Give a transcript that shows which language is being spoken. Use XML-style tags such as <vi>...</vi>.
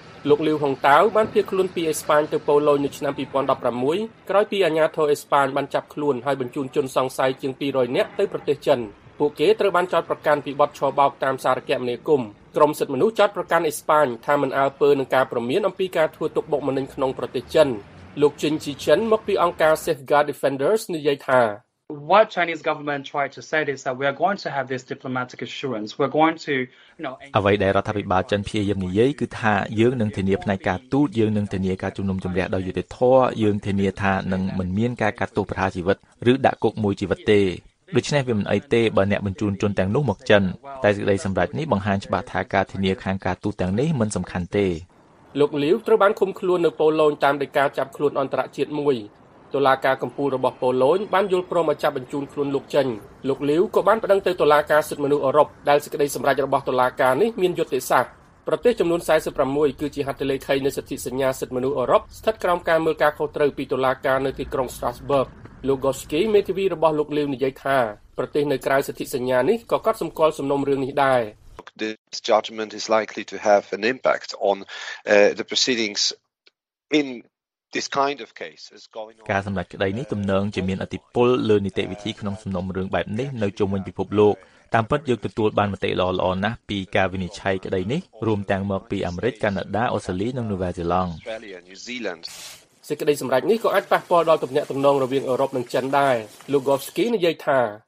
<km>លោកលីវហុងតៅបានភៀសខ្លួនពីអេស្ប៉ាញទៅប៉ូឡូញនៅឆ្នាំ2016ក្រោយពីអាជ្ញាធរអេស្ប៉ាញបានចាប់ខ្លួនហើយបញ្ជូនជនសង្ស័យជាង200នាក់ទៅប្រទេសចិនពួកគេត្រូវបានចោទប្រកាន់ពីបទឆបោកតាមសារគមនាគមន៍ក្រមសិទ្ធិមនុស្សចោទប្រកាន់អេស្ប៉ាញថាមិនអើពើនឹងការព្រមានអំពីការធ្វើទុកបុកម្នេញក្នុងប្រទេសចិនលោកជិនជីឈិនមកពីអង្គការ Safeguard Defenders និយាយថា</km> <en>What Chinese government tried to say is that we are going to have this diplomatic assurance. We're going to, you know,</en> <km>អ្វីដែលរដ្ឋាភិបាលចិនព្យាយាមនិយាយគឺថាយើងនឹងធានាផ្នែកការទូតយើងនឹងធានាការជំនុំជម្រះដោយយុត្តិធម៌យើងធានាថានឹងមិនមានការកាត់ទោសប្រហារជីវិតឬដាក់គុកមួយជីវិតទេដូច្នេះវាមិនអីទេបើអ្នកបញ្ជូនជនទាំងនោះមកចិនតែសេចក្តីសម្រេចនេះបង្ហាញច្បាស់ថាការធានាខាងការទូតទាំងនេះមិនសំខាន់ទេ លោកលីវត្រូវបានឃុំខ្លួននៅប៉ូឡូញតាមដីការចាប់ខ្លួនអន្តរជាតិមួយតុលាការកំពូលរបស់ប៉ូឡូញបានយល់ព្រមឲ្យចាប់បញ្ជូនខ្លួនលោកចេញលោកលីវក៏បានប្តឹងទៅតុលាការសិទ្ធិមនុស្សអឺរ៉ុបដែលសេចក្តីសម្រេចរបស់តុលាការនេះមានយុត្តិសាស្ត្រប្រទេសចំនួន46គឺជាហត្ថលេខីនៃសិទ្ធិសញ្ញាសិទ្ធិមនុស្សអឺរ៉ុបស្ថិតក្រោមការមើលការខុសត្រូវពីតុលាការនៅទីក្រុង Strasbourg លោក Gorski មេធាវីរបស់លោកលាវនិយាយថាប្រទេសនៅក្រៅសិទ្ធិសញ្ញានេះក៏កត់សម្គាល់សំណុំរឿងនេះដែរ</km> <en>This judgment is likely to have an impact on the proceedings in this kind of case is going on</en> <km>ការសម្រេចក្តីនេះទំនងជាមានអធិបុលលើនីតិវិធីក្នុងសំណុំរឿងបែបនេះនៅជុំវិញពិភពលោកតាមពិតយើងទទួលបានមតិល្អល្អណាស់ពីការវិនិច្ឆ័យក្តីនេះរួមទាំងមកពីអាមេរិកកាណាដាអូស្ត្រាលីនិងនូវែលសេឡង់សេចក្តីសម្រេចនេះក៏អាចប៉ះពាល់ដល់ទំនាក់ទំនងរវាងអឺរ៉ុបនិងចិនដែរលោក Gorski និយាយថា</km>